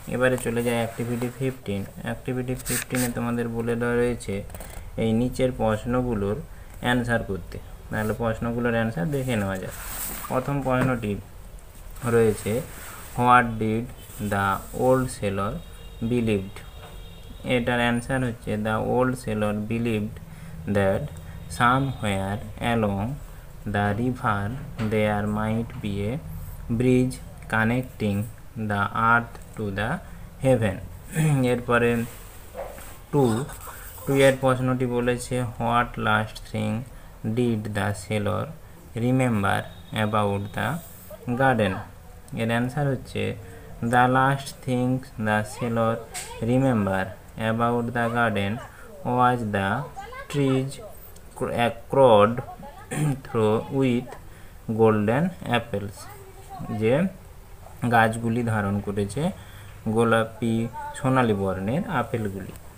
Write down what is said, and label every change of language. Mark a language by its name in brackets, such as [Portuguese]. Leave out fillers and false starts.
[Bangla] এবারে চলে যায় অ্যাক্টিভিটি 15। অ্যাক্টিভিটি 15-এ তোমাদের বলে দেওয়া রয়েছে এই নিচের প্রশ্নগুলোর অ্যান্সার করতে। তাহলে প্রশ্নগুলোর অ্যান্সার দেখে নেওয়া যাক। প্রথম প্রশ্নটি রয়েছে [English] what did the old sailor believed, [Bangla] এটার অ্যান্সার হচ্ছে [English] The old sailor believed that somewhere along the river there might be a bridge connecting the earth to the heaven. [Bangla] এরপরে টু এর প্রশ্নটি বলেছে [English] What last thing did the sailor remember about the garden. [Bangla] এর answer হচ্ছে [English] the last things the sailor remember about the garden was the trees crowd through with golden apples, [Bangla] যে গাছগুলি ধারণ করেছে গোলাপি সোনালী বর্ণের আপেলগুলি।